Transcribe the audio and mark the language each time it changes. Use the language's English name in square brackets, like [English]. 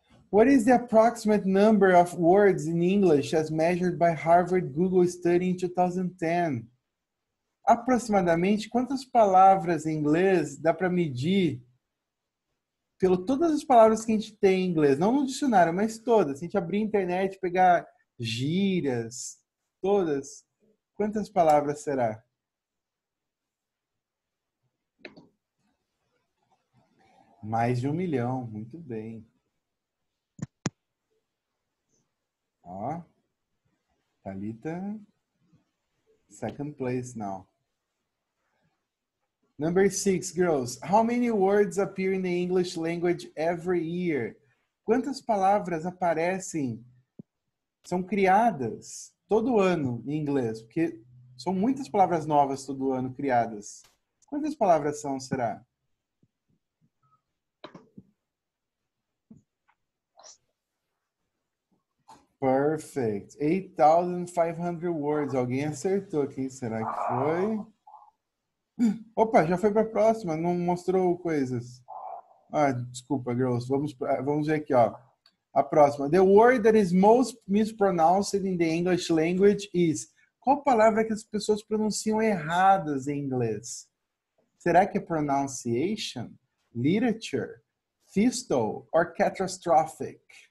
[English] What is the approximate number of words in English as measured by Harvard Google Study in 2010? [Portuguese] Aproximadamente, quantas palavras em inglês dá para medir pelo todas as palavras que a gente tem em inglês, não no dicionário, mas todas. Se a gente abrir a internet, pegar gírias, todas, quantas palavras será? Mais de 1 milhão, muito bem. [English] Ó, Thalita, second place now. Number 6, girls. How many words appear in the English language every year? [Portuguese] Quantas palavras aparecem são criadas todo ano em inglês? Porque são muitas palavras novas todo ano criadas. Quantas palavras são, será? [English] Perfect. 8,500 words. [Portuguese] Alguém acertou. Quem será que foi? Opa, já foi para a próxima. Não mostrou coisas. Ah, desculpa, girls. Vamos ver aqui, ó. A próxima. [English] The word that is most mispronounced in the English language is... [Portuguese] Qual palavra que as pessoas pronunciam erradas em inglês? Será que é pronunciation, literature, fistol or catastrophic?